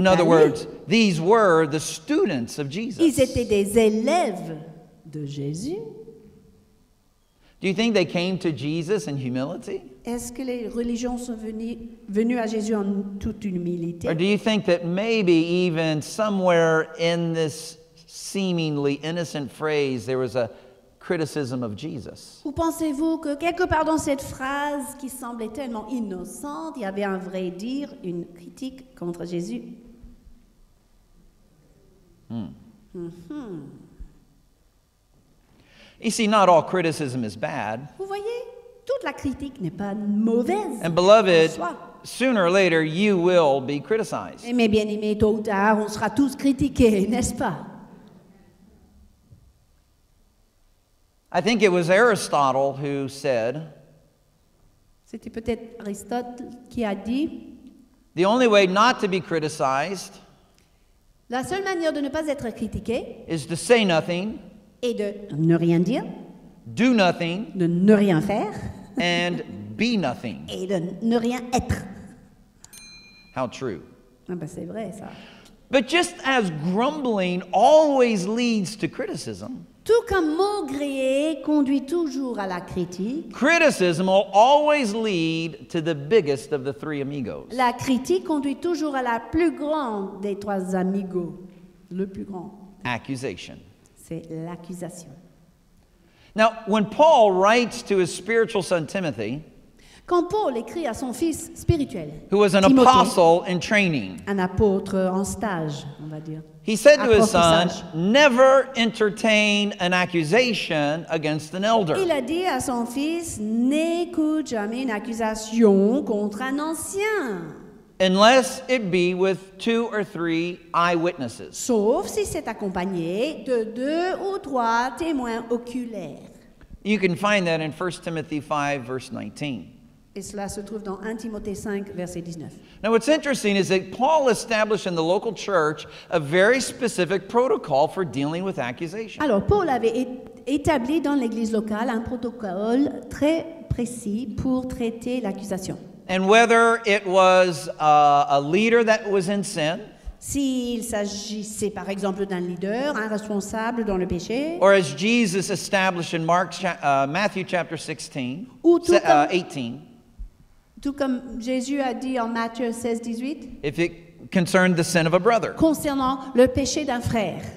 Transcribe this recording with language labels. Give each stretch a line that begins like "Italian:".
English: In other words, these were the students of Jesus.
French: Ils étaient des élèves de Jésus.
English: Do you think they came to Jesus in humility?
French: Est-ce que les religions sont venues à Jésus en toute humilité?
English: Or do you think that maybe even somewhere in this seemingly innocent phrase there was a criticism of Jesus?
French: Ou pensez-vous que quelque part dans cette phrase qui semblait tellement innocente, il y avait un vrai dire, une critique contre Jésus?
English: You see, not all criticism is bad.
French: Vous voyez, toute la critique n'est pas mauvaise.
English: And beloved, sooner or later, you will be criticized.
French: Et mes bien-aimés, tôt ou tard, on sera tous critiqués, n'est-ce pas?
English: I think it was Aristotle who said,
French: c'était peut-être Aristote qui a dit,
English: the only way not to be criticized,
French: la seule manière de ne pas être critiqué,
English: is to say nothing,
French: et de ne rien dire,
English: do nothing,
French: de ne rien faire,
English: and be nothing.
French: Et de ne rien être.
English: How true.
French: Ah ben c'est vrai, ça.
English: But just as grumbling always leads to criticism,
French: tout comme maugréer conduit toujours à la critique,
English: criticism will always lead to the biggest of the three amigos.
French: La critique conduit toujours à la plus grande des trois amigos. Le plus grand. Accusation. C'est l'accusation.
English: Now, when Paul writes to his spiritual son Timothy,
French: quand Paul écrit à son fils spirituel,
English: who was an
French: Timothée,
English: apostle in training,
French: un apôtre en stage, on va dire,
English: he said to his son, never entertain an accusation against an elder.
French: Il a dit à son fils, n'écoute jamais une accusation contre un ancien.
English: Unless it be with two or three eyewitnesses.
French: Sauf si c'est accompagné de deux ou trois témoins oculaires.
English: You can find that in 1 Timothy 5, verse 19.
French: Et cela se trouve dans 1 Timothée 5, verset 19.
English: Now what's interesting is that Paul established in the local church a very specific protocol for dealing with accusations.
French: Alors Paul avait établi dans l'église locale un protocole très précis pour traiter l'accusation.
English: And whether it was a leader that was in sin,
French: s'il s'agissait par exemple d'un leader, un responsable dans le péché,
English: or as Jesus established in Matthew chapter 16,
French: ou tout comme,
English: 18,
French: tout comme Jésus a dit en Matthieu 16, 18,
English: if it concerned the sin of a brother,
French: concernant le péché d'un frère,